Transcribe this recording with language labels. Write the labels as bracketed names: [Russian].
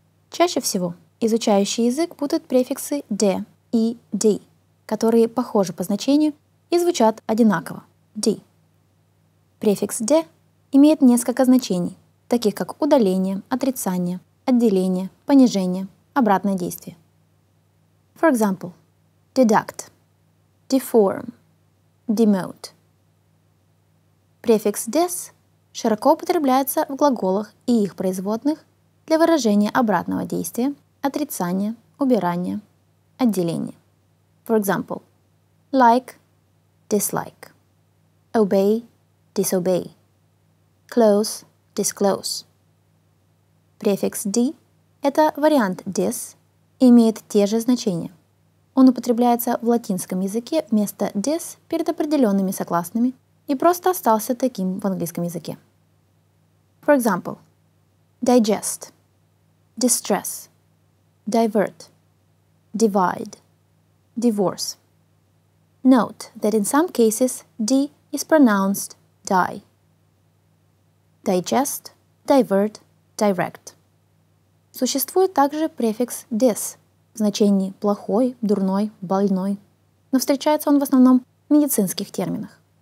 [Russian] Чаще всего изучающий язык будут префиксы de и de, которые похожи по значению и звучат одинаково – de. Префикс de имеет несколько значений, таких как удаление, отрицание, отделение, понижение, обратное действие. [English] For example, deduct, deform, demote. [Russian] Префикс des широко употребляется в глаголах и их производных для выражения обратного действия, отрицания, убирания, отделения. [English] For example, like, dislike, obey, disobey, close, disclose. [Russian] Префикс d – это вариант des и имеет те же значения. Он употребляется в латинском языке вместо des перед определенными согласными и просто остался таким в английском языке. [English] For example, digest, distress, divert, divide, divorce. Note that in some cases d is pronounced die. Digest, divert, direct. [Russian] Существует также префикс dis в значении плохой, дурной, больной, но встречается он в основном в медицинских терминах.